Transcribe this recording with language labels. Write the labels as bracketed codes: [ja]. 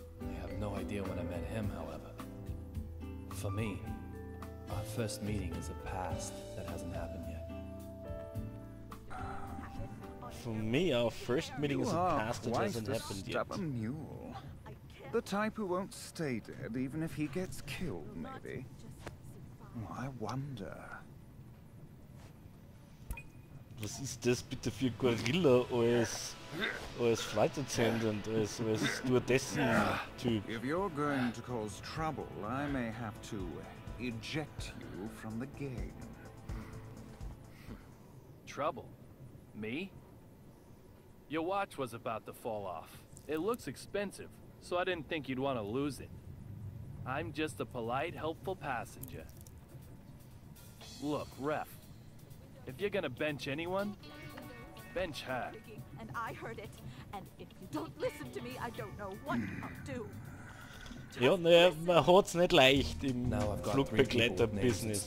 [en] I have no idea when I met him, however. For me, our first meeting is a past that hasn't happened yet. For me, our first meeting you is a past that hasn't happened yet. You are quite a stubborn mule. The type who won't stay dead, even if he gets killed, maybe. Oh, I wonder. [de] Was ist das bitte für Gorilla als [en] Flight Attendant, [de] als Stewardessen-Typ? [en] If you're going to cause trouble, I may have to eject you from the game. Trouble? Me? Your watch was about to fall off. It looks expensive, so I didn't think you'd want to lose it. I'm just a polite, helpful passenger. Look, ref. If you're gonna bench anyone, bench her. And I heard it. And if you don't listen to me, I don't know what I'll do. [de] Ja, naja, man hat's nicht leicht im Flugbegleiter-Business.